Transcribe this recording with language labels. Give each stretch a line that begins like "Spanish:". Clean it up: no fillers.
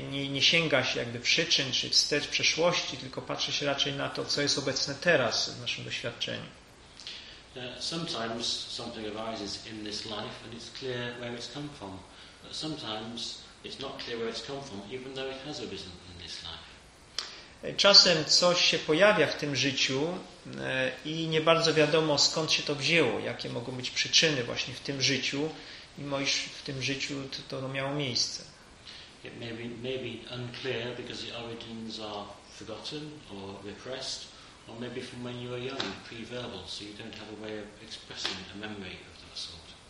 Polish: Nie sięga się jakby przyczyn czy wstecz przeszłości, tylko patrzy się raczej na to, co jest obecne teraz w naszym doświadczeniu.
English: Sometimes something arises in this life and it's clear where it's come from. But sometimes it's not clear where it's come from, even though it has arisen in this life.
Polish: Czasem coś się pojawia w tym życiu i nie bardzo wiadomo, skąd się to wzięło, jakie mogą być przyczyny właśnie w tym życiu, mimo iż w tym życiu to miało miejsce.
English: It may be unclear because the origins are forgotten or repressed, or maybe from when you were young, pre-verbal, so you don't have a way of expressing a memory of that sort.